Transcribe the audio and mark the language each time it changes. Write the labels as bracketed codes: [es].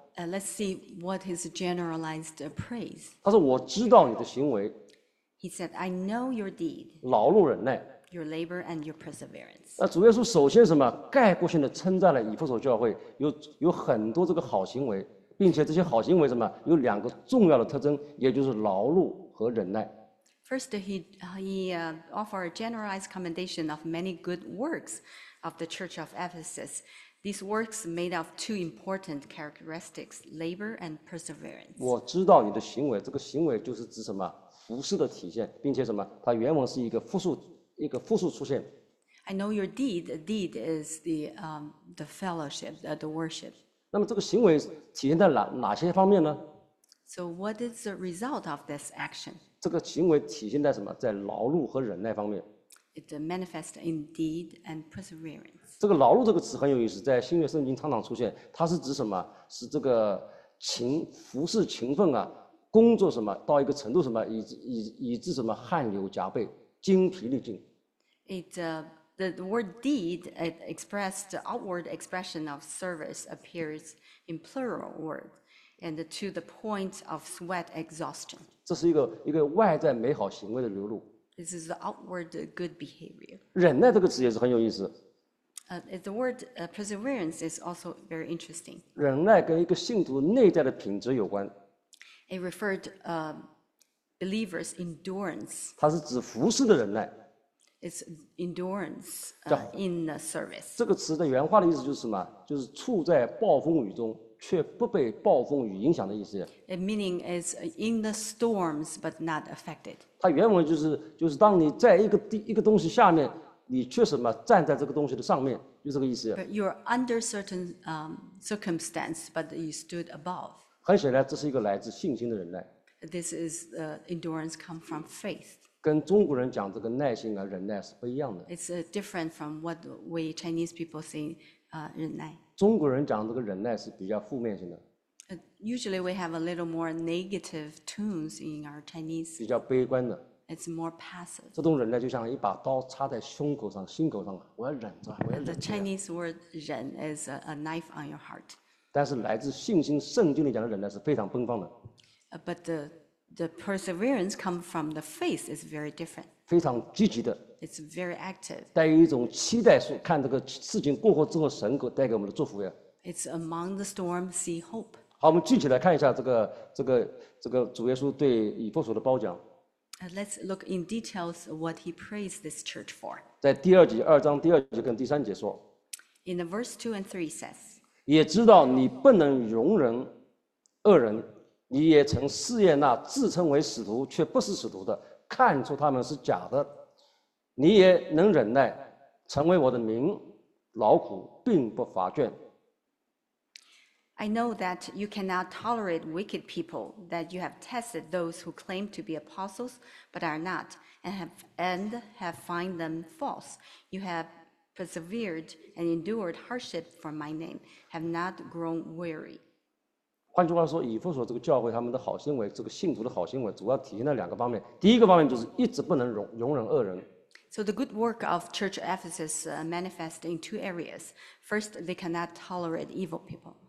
[en] Let's see what his generalized praise. [zh] 他说：“我知道你的行为。” [en] He said, "I know your deed." [zh] 劳碌忍耐。 [en] Your labor and your perseverance. [zh] 那主耶稣首先什么概括性的称赞了以弗所教会有很多这个好行为，并且这些好行为什么有两个重要的特征，也就是劳碌和忍耐。 [en] First, he offered a generalized commendation of many good works of the Church of Ephesus. These works made of two important characteristics, labor and perseverance. [zh] 我知道你的行为，这个行为就是指什么服事的体现，并且什么，它原文是一个复数出现。 [en] I know your deed. The deed is the fellowship, the worship. [zh] 那么这个行为体现在哪些方面呢？ [en] So what is the result of this action? [zh] 这个行为体现在什么？在劳碌和忍耐方面。 [en] It manifests in deed and perseverance. [zh] 这个劳碌这个词很有意思，在新约圣经常常出现，它是指什么？是这个服事勤奋啊，工作什么到一个程度什么，以致什么汗流浃背、精疲力尽。 [en] The word deed expressed the outward expression of service appears in plural words. And to the point of sweat exhaustion. [zh] 这是一个外在美好行为的流露。 [en] This is the outward good behavior. [zh] 忍耐这个词也是很有意思。 [en] The word perseverance is also very interesting. [zh] 忍耐跟一个信徒内在的品质有关。 [en] It referred believers endurance. [zh] 它是指服事的忍耐。 [en] It's endurance in the service. [zh] 这个词的原话的意思就是什么？就是处在暴风雨中。却不被暴风雨影响的意思。 [en] It meaning is in the storms but not affected. [zh] 它原文就是当你在一个东西下面，你却什么站在这个东西的上面，就这个意思。 [en] But you're under certain circumstance, but you stood above. [zh] 很显然，这是一个来自信心的忍耐。 [en] This is endurance come from faith. [zh] 跟中国人讲这个耐心啊忍耐是不一样的。 [en] It's different from what we Chinese people say, 忍耐。 [zh] 中国人讲这个忍耐是比较负面性的。 [en] Usually we have a little more negative tones in our Chinese. [zh] 比较悲观的。 [en] It's more passive. [zh] 这种忍耐就像一把刀插在胸口上、心口上，我要忍着，我要忍着。 [en] The Chinese word 忍 is a knife on your heart. [zh] 但是来自信心，圣经里讲的忍耐是非常奔放的。 [en] But the perseverance come from the faith is very different. [zh] 非常积极的。 [en] It's very active. [zh] 带有一种期待说看这个事情过后之后神给带给我们的祝福呀。 [en] It's among the storm, see hope. [zh] 好，我们具体来看一下这个主耶稣对以弗所的褒奖。 [en] Let's look in details what he praised this church for. [zh] 在第二节二章第二节跟第三节说。 [en] In the verse 2 and 3 says. [zh] 也知道你不能容忍恶人，你也曾试验那自称为使徒却不是使徒的，看出他们是假的。你也能忍耐，成为我的名，劳苦并不乏倦。 [en] I know that you cannot tolerate wicked people, that you have tested those who claim to be apostles but are not, and have found them false. You have persevered and endured hardship for my name, have not grown weary. [zh] 换句话说，以弗所这个教会他们的好行为，这个信徒的好行为，主要体现在两个方面。第一个方面就是一直不能容忍恶人。 [en] So the good work of Church Ephesus manifests in two areas. First, they cannot tolerate evil people.